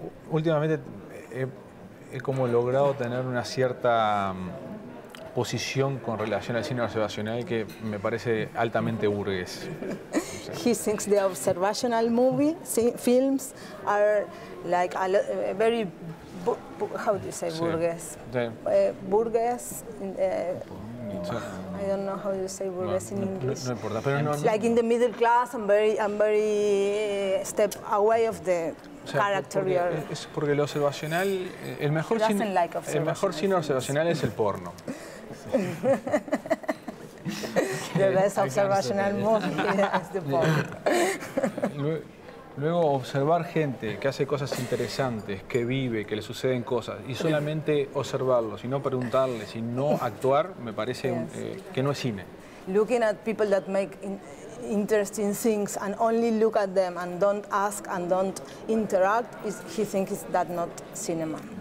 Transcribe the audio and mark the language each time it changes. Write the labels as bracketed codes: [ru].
[es] últimamente he como logrado tener una cierta posición con relación al cine observacional que me parece altamente burgués. [en] He thinks the observational movie films are like a very how do you say burgués? Burgués. I don't know how you say burgués in English. [es] No importa, pero no. [en] Like in the middle class, I'm very step away of the. [es] O sea, porque lo observacional, el mejor, el mejor cine observacional es el porno. [en] The best observational movie is the porno. [es] Luego, observar gente que hace cosas interesantes, que vive, que le suceden cosas, y solamente observarlos, y no preguntarles, y no actuar, me parece que no es cine. [en] Looking at people that make interesting things and only look at them and don't ask and don't interact, he thinks that not cinema.